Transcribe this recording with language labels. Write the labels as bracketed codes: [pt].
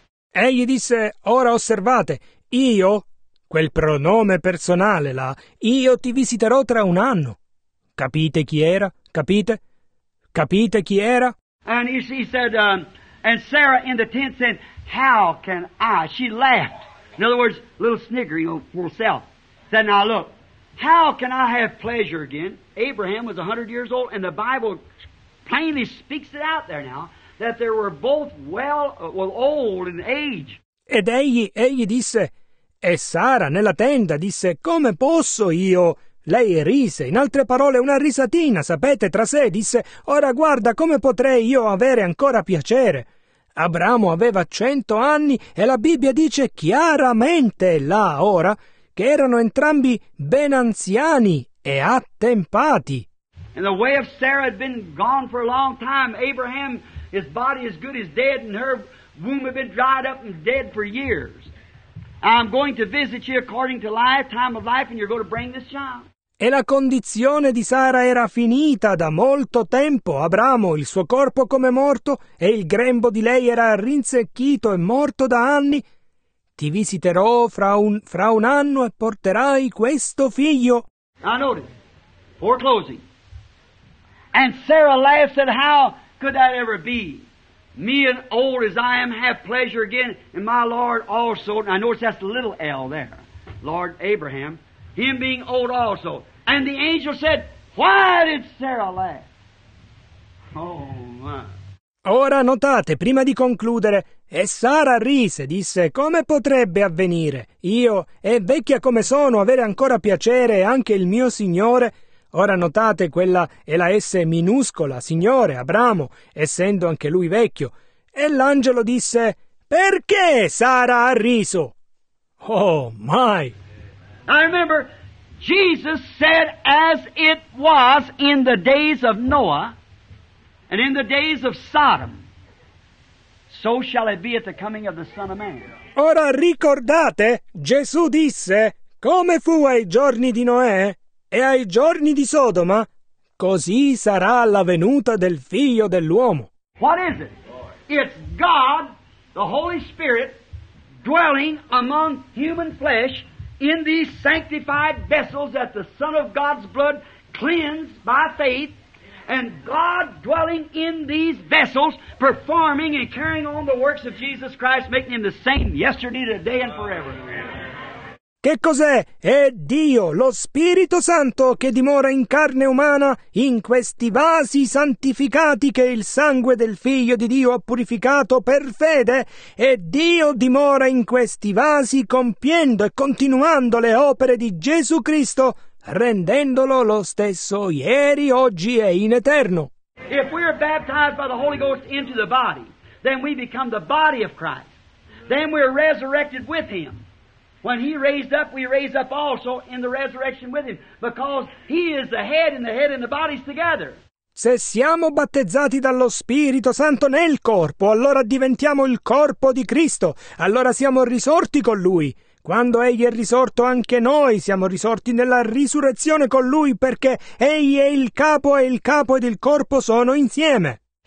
[it] Egli disse, ora osservate, io... Quel pronome personale là, io ti visiterò tra un anno. Capite chi era? Capite? Capite chi era? [en] And he said, and Sarah in the tent said, how can I? She laughed. In other words, a little sniggering of herself. Said, now look, how can I have pleasure again? Abraham was 100 years old, and the Bible plainly speaks it out there now, that they were both well old in age. [it] Ed egli disse... E Sara, nella tenda, disse, come posso io? Lei rise, in altre parole, una risatina, sapete, tra sé, disse, ora guarda, come potrei io avere ancora piacere? Abramo aveva 100 anni e la Bibbia dice chiaramente là, ora, che erano entrambi ben anziani e attempati. [en] And the way of Sarah had been gone for a long time. Abraham, his body as good as dead, and her womb had been dried up and dead for years. I'm going to visit you according to life, time of life, and you're going to bring this child. [it] E la condizione di Sara era finita da molto tempo. Abramo, il suo corpo come morto, e il grembo di lei era rinsecchito e morto da anni. Ti visiterò fra un anno e porterai questo figlio. [en] I noted. Foreclosing. And Sarah laughed, said, how could that ever be? Me and old as I am have pleasure again, and my Lord also, and I notice that's the little L there, Lord Abraham, him being old also. And the angel said, why did Sarah laugh? Oh, my. [it] Ora notate, prima di concludere, e Sara rise, disse, come potrebbe avvenire? Io, e vecchia come sono, avere ancora piacere, anche il mio Signore... Ora notate, quella è la S minuscola, Signore, Abramo, essendo anche lui vecchio. E l'angelo disse, perché Sara ha riso? [en] Oh, my! I remember, Jesus said, as it was in the days of Noah, and in the days of Sodom, so shall it be at the coming of the Son of Man. [it] Ora ricordate, Gesù disse, come fu ai giorni di Noè? E ai giorni di Sodoma, così sarà la venuta del Figlio dell'uomo. [en] What is it? It's God, the Holy Spirit, dwelling among human flesh in these sanctified vessels that the Son of God's blood cleansed by faith, and God dwelling in these vessels, performing and carrying on the works of Jesus Christ, making Him the same yesterday, today, and forever. [it] Che cos'è? È Dio, lo Spirito Santo, che dimora in carne umana in questi vasi santificati che il sangue del Figlio di Dio ha purificato per fede. E Dio dimora in questi vasi compiendo e continuando le opere di Gesù Cristo, rendendolo lo stesso ieri, oggi e in eterno. [en] If we are baptized by the Holy Ghost into the body, then we become the body of Christ. Then we are resurrected with Him. When He raised up, we raise up also in the resurrection with Him, because He is the head and the body's together. [it] Se siamo battezzati dallo Spirito Santo nel corpo, allora diventiamo il corpo di Cristo, allora siamo risorti con Lui. Quando Egli è risorto, anche noi siamo risorti nella risurrezione con Lui, perché Egli è il capo e il capo ed il corpo sono insieme.